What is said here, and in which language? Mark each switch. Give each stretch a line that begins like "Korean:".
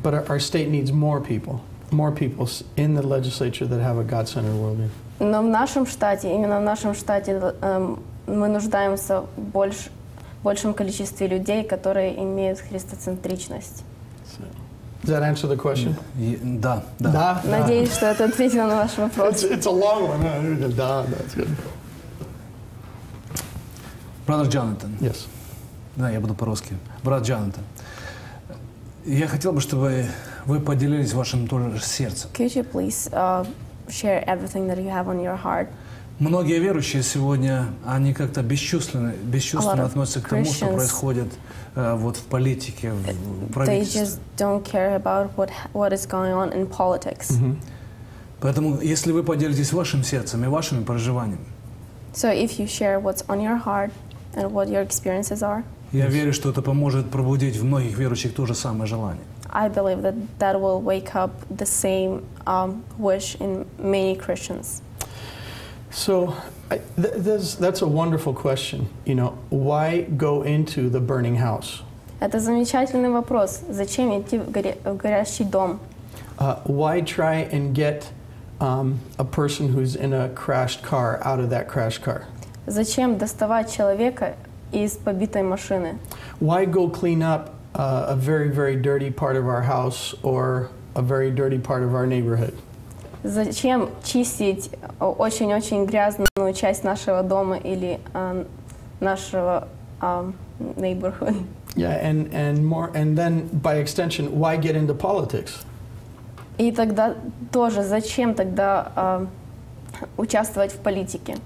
English: But our state needs more people in the legislature that have a God-centered worldview.
Russian: Но в нашем штате, именно в нашем штате, мы нуждаемся в большем количестве людей, которые имеют христоцентричность.
English: Does that answer the question?
Russian: Да. Да? Надеюсь, что это ответило на ваш вопрос.
English: It's a long one.
Russian: Да,
English: that's good.
Russian: Брат Джонатан.
English: Yes.
Russian: Да, я буду по-русски. Брат Джонатан. Я хотел бы, чтобы вы поделились вашим тоже сердцем.
English: Could you please share everything that you have on your heart?
Russian: Многие верующие сегодня, они как-то бесчувственно относятся к тому, что происходит вот в политике, в правительстве.
English: They just don't care about what is going on in politics.
Russian: Поэтому, если вы поделитесь вашим сердцем и вашими проживаниями.
English: So if you share what's on your heart and what your experiences are.
Russian: Я верю, что это поможет пробудить в многих верующих то же самое желание.
English: I believe that that will wake up the same wish in many Christians. So that's a wonderful question. You know, why go into the burning house?
Russian: Это замечательный вопрос. Зачем идти в горящий дом?
English: Why try and get a person who's in a crashed car out of that crashed car?
Russian: Зачем доставать человека из побитой машины?
English: Why go clean up a very very dirty part of our house or a very dirty part of our neighborhood?
Russian: Зачем чистить очень-очень грязную часть нашего дома или нашего neighborhood?
English: Yeah, and more, and then by extension, why get into politics?
Russian: И тогда тоже, зачем тогда участвовать в политике?